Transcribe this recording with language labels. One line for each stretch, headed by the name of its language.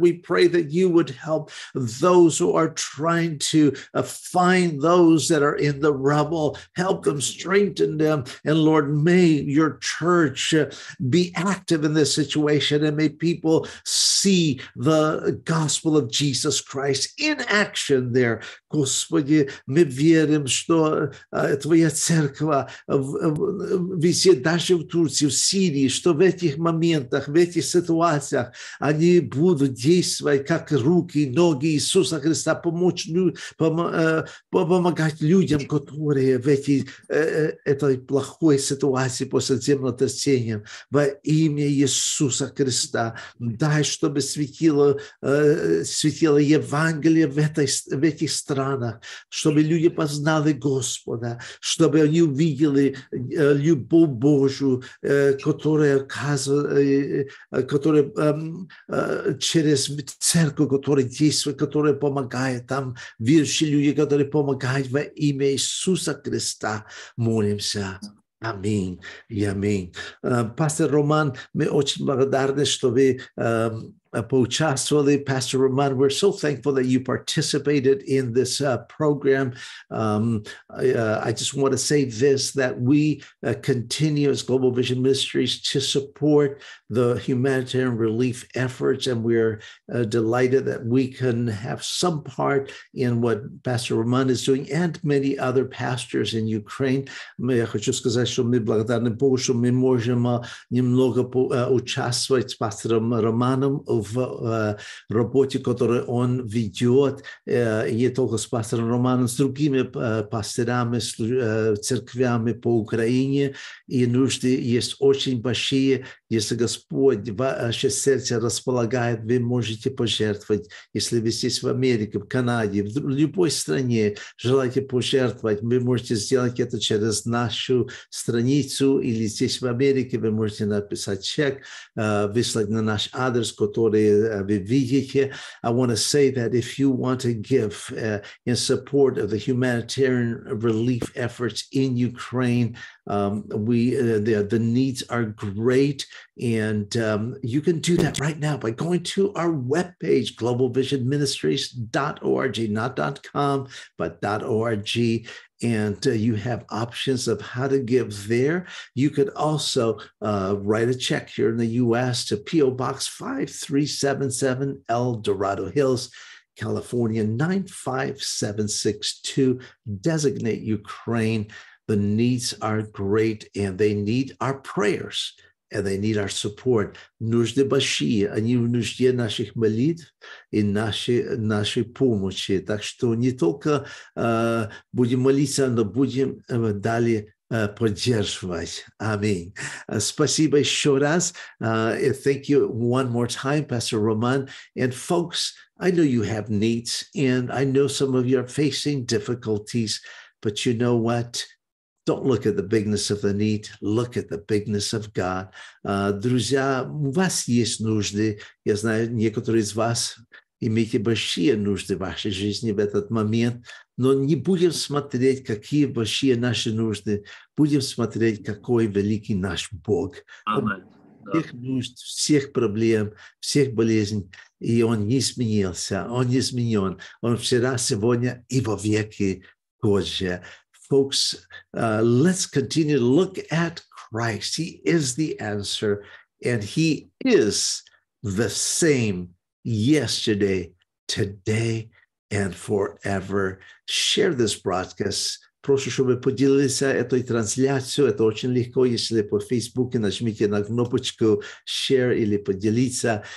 English: We pray that you would help those who are trying to find those that are in the rubble. Help them, strengthen them. And Lord, may your church be active in this situation, and may people see the gospel of Jesus Christ in action there.
Russian: Господи, мы верим, что Твоя церковь везде, даже в Турции, в Сирии, что в этих моментах, в этих ситуациях они будут действовать как руки, ноги Иисуса Христа, помогать людям, которые в этой плохой ситуации после землетрясения. Во имя Иисуса Христа, дай, чтобы светило Евангелие в этих странах, чтобы люди познали Господа, чтобы они увидели любовь Божию, которая через церковь, которая действует, которая помогает там, верующие люди, которые помогают во имя Иисуса Христа, молимся. Аминь и аминь. Пастор Роман, мы очень благодарны, что вы поучаствовали.
English: Pastor Roman, we're so thankful that you participated in this program. I just want to say this, that we continue as Global Vision Ministries to support the humanitarian relief efforts, and we're delighted that we can have some part in what Pastor Roman is doing and many other pastors in Ukraine.
Ukrainian: Я хочу сказати, що ми благодарні Богу, що ми можемо немного участвувати з пастором Романом в роботі, яку він ведеть, не тільки з пастором Романом, з другими пастирами, церквями по Україні, і нужди є дуже великі. Якщо Господь ваше серце розполагає, ви можете пожертвувати. Якщо ви є в Америці, в Канаді, в будь-якій країні, желаєте пожертвувати, ви можете зробити це через нашу страницю, або тут в Америці ви можете написати чек, вислати на наш адрес, який ви бачите.
English: I want to say that if you want to give in support of the humanitarian relief efforts in Ukraine, the needs are great, and you can do that right now by going to our webpage, globalvisionministries.org, not .com, but .org, and you have options of how to give there. You could also write a check here in the U.S. to P.O. Box 5377 El Dorado Hills, California 95762, designate Ukraine. The needs are great, and they need our prayers, and they need our support.
Ukrainian: Нужди баші, ані в нужді наших молитв і нашої помощі. Так що не тільки будемо молитися, але будемо далі поддерживать.
Russian: Аминь. Спасибо еще раз.
English: Thank you one more time, Pastor Roman. And folks, I know you have needs, and I know some of you are facing difficulties, but you know what? Don't look at the bigness of the need. Look at the bigness of God.
Ukrainian: Друзья, у вас є нужди. Я знаю, некоторі з вас імають більші нужди в вашій житті в цей момент.
Russian: Но не будем смотреть, какие большие наши нужды. Будем смотреть, какой великий наш Бог. Аминь. Всех нужд, всех проблем, всех болезней. И Он не изменился, Он не изменен. Он вчера, сегодня и во веки Божие.
English: Folks, let's continue to look at Christ. He is the answer, and He is the same yesterday, today, and forever. Share this broadcast.
Ukrainian: Прошу, щоб ви поділилися цією трансляцією. Це дуже легко. Якщо по Фейсбуку, нажміть на кнопочку «Share» або «Поділіться».